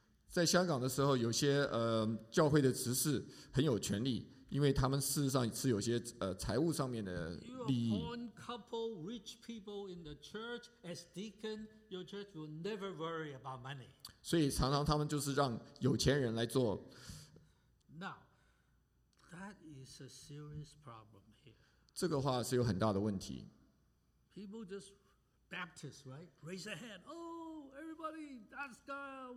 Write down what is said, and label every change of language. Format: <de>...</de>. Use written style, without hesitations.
<zh>在香港的时候，有些教会的执事很有权力，因为他们事实上是有些财务上面的利益。</zh> <en>You appoint couple rich people in the church as deacon, your church will never worry about money.</en> <zh>所以常常他们就是让有钱人来做。</zh> <en>Now, that is a serious problem here.</en> <zh>这个话是有很大的问题。</zh> <en>People just baptize, right? Raise their hand. Oh, everybody, that's God.</en>